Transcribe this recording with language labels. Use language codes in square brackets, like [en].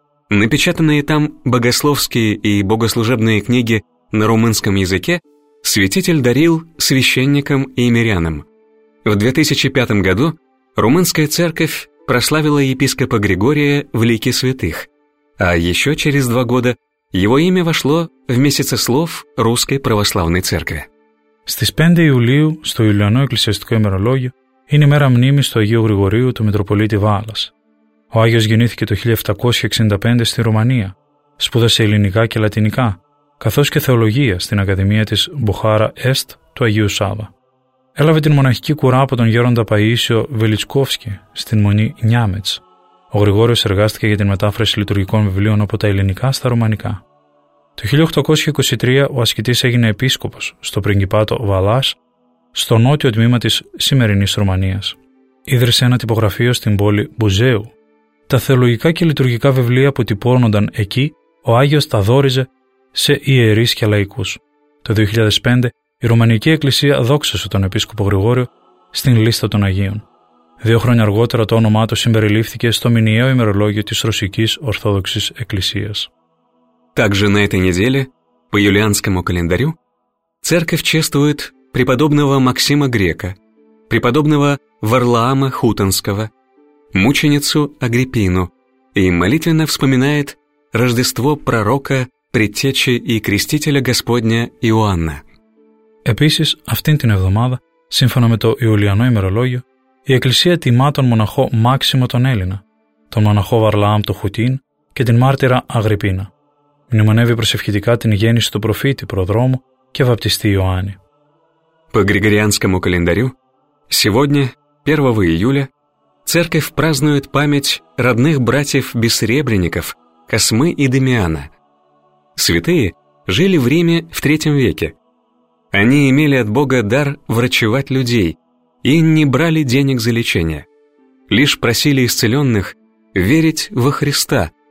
[ru] Напечатанные там богословские и богослужебные книги на румынском языке святитель дарил священникам и мирянам. В 2005 году румынская церковь прославила епископа Григория в лике святых, а еще через два года его имя вошло в месяцеслов Русской Православной Церкви. [el] Στις 5 Ιουλίου, στο Ιουλιανό Εκκλησιαστικό Ημερολόγιο, είναι η μέρα μνήμης του Αγίου Γρηγορίου του Μητροπολίτη Βάλας. Ο Άγιος γεννήθηκε το 1765 στη Ρουμανία, σπούδασε ελληνικά και λατινικά, καθώς και θεολογία στην Ακαδημία της Μπουχάρα Εστ του Αγίου Σάβα. Έλαβε την μοναχική κουρά από τον γέροντα Παΐσιο Βελιτσκόφσκι στην μονή Νιάμετς. Ο Γρηγόριος εργάστηκε για την μετάφραση λειτουργικών βιβλίων από τα ελληνικά στα ρουμανικά. Το 1823 ο ασκητής έγινε επίσκοπος στο πριγκιπάτο Βαλάς, στο νότιο τμήμα της σημερινής Ρουμανίας. Ίδρυσε ένα τυπογραφείο στην πόλη Μπουζέου. Τα θεολογικά και λειτουργικά βιβλία που τυπώνονταν εκεί, ο Άγιος τα δόριζε σε ιερείς και λαϊκούς. Το 2005, η Ρουμανική Εκκλησία δόξασε τον Επίσκοπο Γρηγόριο στην λίστα των Αγίων. Δύο χρόνια αργότερα το όνομά του συμπεριλήφθηκε στο μηνιαίο ημερολόγιο της Ρωσικής Ορθόδοξης Εκκλησίας. [ru] Также на этой неделе, по юлианскому календарю, церковь чествует преподобного Максима Грека, преподобного Варлаама Хутонского, мученицу Агриппину и молитвенно вспоминает Рождество пророка, предтечи и крестителя Господня Иоанна. [el] Επίσης, αυτήν την εβδομάδα, σύμφωνα με το Ιουλιανό ημερολόγιο, η Εκκλησία τιμά τον μοναχό Μάξιμο τον Έλληνα, τον μοναχό Βαρλαάμ τον Χουτίν και την μάρτυρα Αγρυπίνα. Μνημονεύει προσευχητικά την γέννηση του προφήτη Προδρόμου και βαπτιστή Ιωάννη. [ru] По Григорианскому календарю, сегодня, 1 июля, церковь празднует память родных братьев Бессеребренников, Космы и Дамиана. Святые жили в Риме в III веке. Они имели от Бога дар врачевать людей и не брали денег за лечение. Лишь просили исцеленных верить во Христа,